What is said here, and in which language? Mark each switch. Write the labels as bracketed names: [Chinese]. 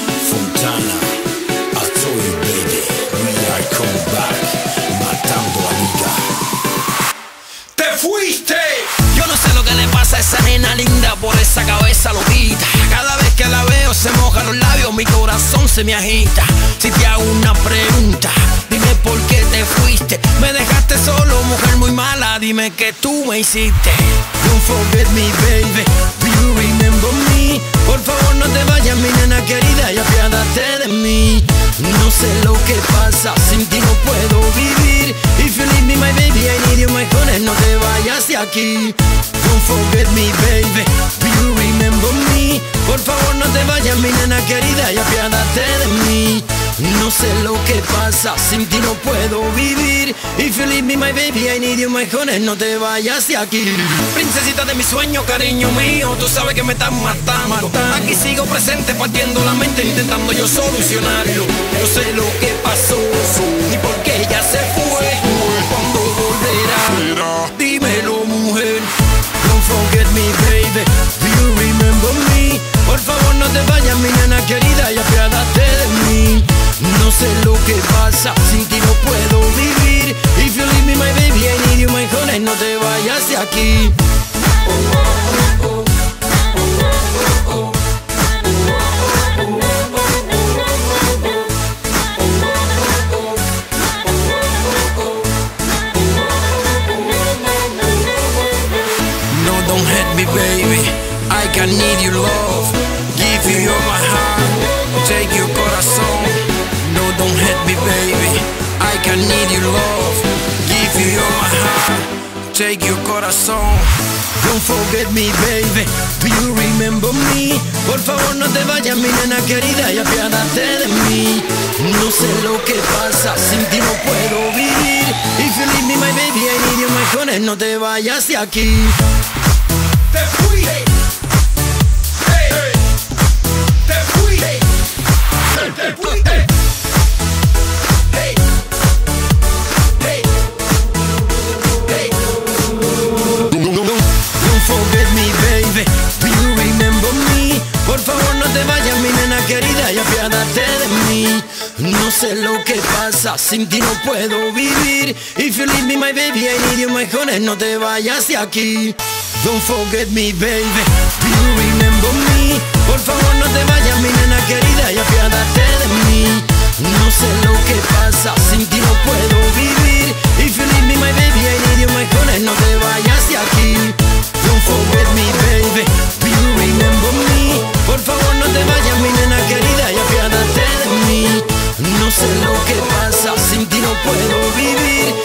[English] Fontana, I told you, baby, we are coming back. [Spanish] Matando a Liga. ¡Te fuiste! Yo no sé lo que le pasa a esa nena linda por esa cabeza loquita. Cada vez que la veo se mojan los labios, mi corazón se me agita. Si te hago una pregunta, dime por qué te fuiste. Me dejaste solo, mujer muy mala, dime qué tú me hiciste. [English] Don't forget me, baby, do you remember me? [Spanish] Por favor no te vayas, mi nena querida, y apiádate de mí. No sé lo que pasa, sin ti no puedo vivir. [English] If you leave me, my baby, I need you, my honey, [Spanish] no te vayas de aquí. [English] Don't forget me, baby, do you remember me? [Spanish] Por favor no te vayas, mi nena querida, y apiádate de mí. No sé lo que pasa, sin ti no puedo vivir. [English] If you leave me, my baby, I need you, my honey, [Spanish] no te vayas de aquí. Princesita de mi sueño, cariño mío, tú sabes que me estás matando. Aquí sigo presente, partiendo la mente, intentando yo solucionarlo. Yo sé lo que pasó, ni por qué ella se fue. ¿Cuándo volverá? Dímelo, mujer. [English] Don't forget me, baby, do you remember me? [Spanish] Por favor no te vayas, mi nena querida, y apiádate de mí. No sé lo que pasa, sin ti no puedo vivir. [English] If you leave me, my baby, I need you, my honey, [Spanish] no te vayas de aquí. [English] No, don't hurt me, baby, I can need you, love. Give you all my heart, take your [Spanish] corazón. [English] No, don't hurt me, baby, I can need you, love. Give you all my heart, take your [Spanish] corazón. [English] Don't forget me, baby, do you remember me? [Spanish] Por favor no te vayas, mi nena querida, y apiádate de mí. No sé lo que pasa, sin ti no puedo vivir. [English] If you leave me, my baby, I need you, my honey, [Spanish] no te vayas de aquí. Te fui. [English] Don't forget me, baby, do you remember me? [Spanish] Por favor no te vayas, mi nena querida, y apiádate de mí. No sé lo que pasa, sin ti no puedo vivir. [English] If you leave me, my baby, I need you, my honey, [Spanish] no te vayas de aquí. [English] Don't forget me, baby, do you remember me? [Spanish] Por favor no te vayas, mi nena querida, y apiádate de mí. No sé lo que pasa, sin ti no puedo vivir. [English] If you leave me, my baby, I need you, my honey, [Spanish] no te vayas de aquí. [English] Don't forget me, baby, do you remember me? [Spanish] Por favor no te vayas, mi nena querida, y apiádate de mí. No sé lo que pasa, sin ti no puedo vivir.